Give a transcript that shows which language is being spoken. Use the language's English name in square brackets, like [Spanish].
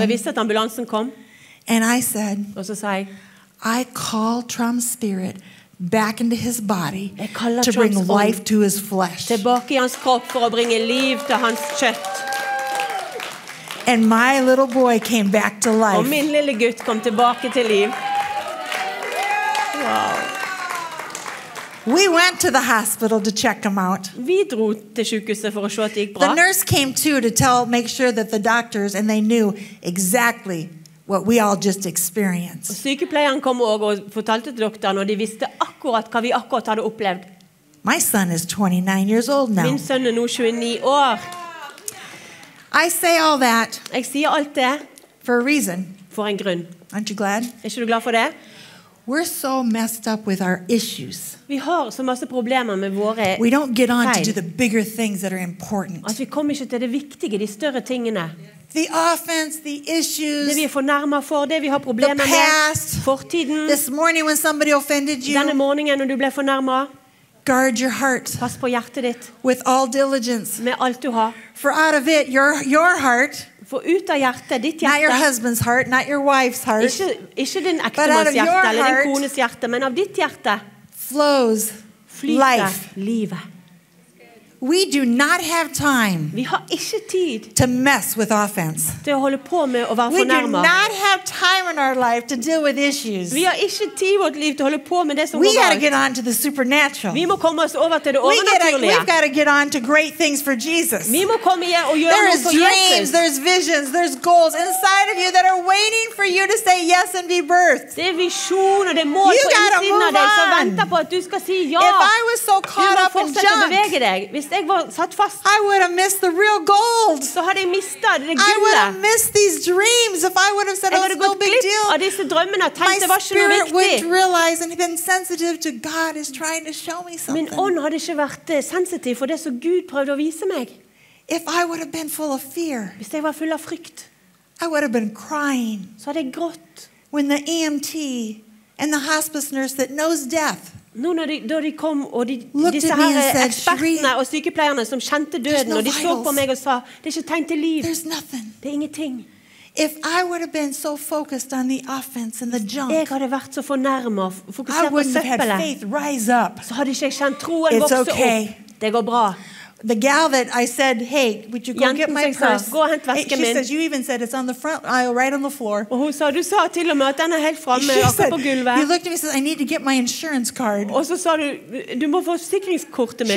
[Norwegian] Jeg visste at ambulansen kom. [English] And I said, I call Trump's spirit back into his body to bring life to his flesh. [Norwegian] Tilbake i hans kropp for å bringe liv til hans kjøtt. [English] And my little boy came back to life. [Norwegian] Og min lille gutt kom tilbake til liv. [English] We went to the hospital to check him out. [Norwegian] Vi dro til sykehuset for å se at det gikk bra. [English] The nurse came too to tell, make sure that the doctors, and they knew exactly what we all just experienced. [Norwegian] Sykepleieren kom også og fortalte til doktoren, og de visste akkurat hva vi akkurat hadde opplevd. [English] My son is 29 years old now. [Norwegian] Min sønn nå 29 år. [English] I say all that. [Norwegian] Jeg sier alt det. [English] For a reason. [Norwegian] For en grunn. [English] Aren't you glad? [Norwegian] Ikke du glad for det? [English] We're so messed up with our issues. [Norwegian] Vi har så masse problemer med våre. [English] We don't get on to do the bigger things that are important. [Norwegian] At vi kommer ikke til det viktige, de større tingene. [English] The offense, the issues. [Norwegian] Det vi fornærmer for, det vi har problemer med. [English] The past. [Norwegian] Fortiden. [English] This morning when somebody offended you. [Norwegian] Denne morgenen når du ble fornærmet. [English] Guard your heart. [Norwegian] Pass på hjertet ditt. [English] With all diligence. [Norwegian] Med alt du har. [English] For out of it, your heart. [Norwegian] For ut av hjertet, ditt hjerte. [English] Not your husband's heart, not your wife's heart. [Norwegian] Ikke din ektemanns hjerte, eller din kones hjerte, men av ditt hjerte. [English] Flows life. [Norwegian] Livet. [English] We do not have time. [Norwegian] Vi har ikke tid. [English] To mess with offense. [Norwegian] Til å holde på med å være fornærmet. [English] We do not have time in our life to deal with issues. [Norwegian] Vi har ikke tid i vårt liv til å holde på med det som går galt. [English] We gotta get on to the supernatural. [Norwegian] Vi må komme oss over til det overnaturlige. [English] We've gotta get on to great things for Jesus. [Norwegian] Vi må komme igjen og gjøre noe for Jesus. [English] There is dreams, there's visions, there's goals inside of you that are waiting for you to say yes and be birthed. [Norwegian] Det er visjon og det mål på innsiden av deg som venter på at du skal si ja. [English] If I was so caught up in junk. [Norwegian] Du må fortsette å bevege deg. [English] I would have missed the real gold. [Norwegian] Så hadde jeg mistet det gullet. [English] I would have missed these dreams if I would have said it was no big deal. [Norwegian] Av disse drømmene og tenkt det var ikke noe viktig. [English] My spirit would realize and been sensitive to God is trying to show me something. [Norwegian] Min ånd hadde ikke vært sensitiv for det som Gud prøvde å vise meg. [English] If I would have been full of fear. [Norwegian] Hvis jeg var full av frykt. [English] I would have been crying. [Norwegian] Så hadde jeg grått. [English] When the EMT and the hospice nurse that knows death. [Norwegian] Nå når de kom og disse her ekspertene og sykepleierne som kjente døden og de så på meg og sa det er ikke tegn til liv. Det er ingenting. [English] If I would have been so focused on the offense and the junk, [Norwegian] jeg hadde vært så fornærmet, fokusert på søppelet, [English] I wouldn't have had faith rise up. [Norwegian] Så hadde ikke jeg kjent troen vokse opp. Det går bra. [English] The gal that I said, hey, would you go [Norwegian] Janten [English] get my purse? [Norwegian] Gå og hent vesken min. She says, you even said it's on the front aisle, right on the floor. Og hun sa, du sa til og med at den helt fremme, akkurat på gulvet. She said, you looked at me and said, I need to get my insurance card. Og så sa du, du må få forsikringskortet mitt.